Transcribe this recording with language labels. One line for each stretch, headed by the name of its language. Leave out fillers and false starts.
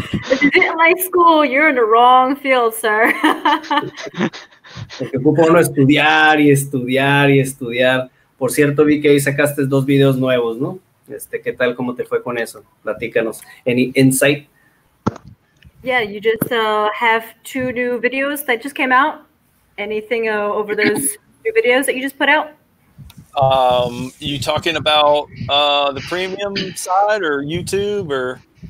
English: If you didn't like school, you're in the wrong field, sir.
Spanish: Te ocupo uno estudiar y estudiar y estudiar. Por cierto, vi que ahí sacaste dos videos nuevos, ¿no? ¿Qué tal, cómo te fue con eso? Platícanos.
English: Any insight? Yeah, you just have two new videos that just came out. Anything over those new videos that you just put out? You talking about the premium side or YouTube or?